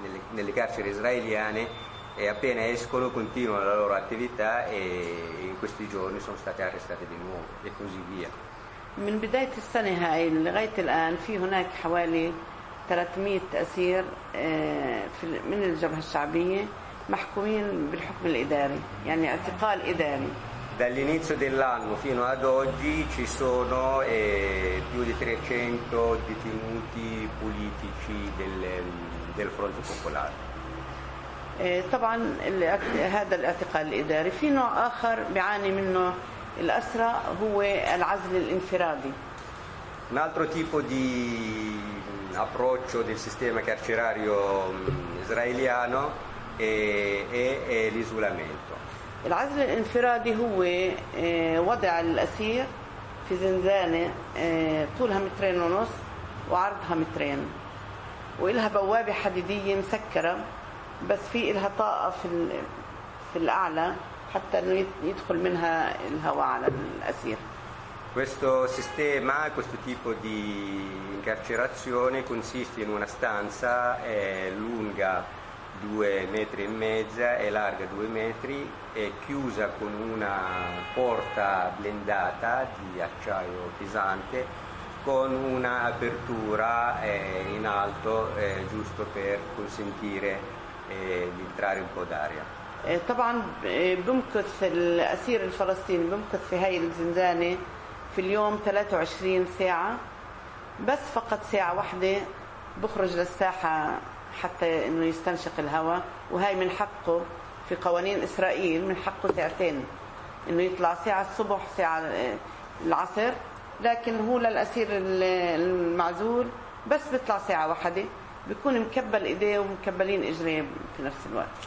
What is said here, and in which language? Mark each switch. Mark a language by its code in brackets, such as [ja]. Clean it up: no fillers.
[it] nelle carceri israeliane, e appena escono continuano la loro attività, e in questi giorni sono state arrestate di nuovo, e così via. [ar] من بداية السنة هاي لغاية الآن في هناك حوالي 300 أسير من الجبهة الشعبية محكومين بالحكم الإداري يعني اعتقال إداري. [it] Dall'inizio dell'anno fino ad oggi ci sono più di 300 detenuti politici del Fronte Popolare. [ar] طبعا هذا الاعتقال الإداري في نوع آخر بيعاني منه الأسرة هو العزل الانفرادي. [it] Un altro tipo di approccio del sistema carcerario israeliano è l'isolamento. [ar] العزل الانفرادي هو وضع الأسير في زنزانة طولها مترين ونص وعرضها مترين وإلها بوابة حديدية مسكرة بس في إلها طاقة في الأعلى حتى يدخل منها الهواء على الأسير. [it] Questo sistema, questo tipo di incarcerazione consiste in una stanza lunga 2.5 metri e larga 2 metri, è chiusa con una porta blindata di acciaio pesante con una apertura in alto giusto per consentire di entrare un po' d'aria. [ar] طبعا بمكث الأسير الفلسطيني بمكث في هاي الزنزانة في اليوم 23 ساعة بس فقط ساعة واحدة بخرج للساحة حتى إنه يستنشق الهواء وهي من حقه في قوانين إسرائيل من حقه ساعتين إنه يطلع ساعة الصبح ساعة العصر لكن هو للأسير المعزول بس بيطلع ساعة واحدة بيكون مكبل إيديه ومكبلين إجريه في نفس الوقت.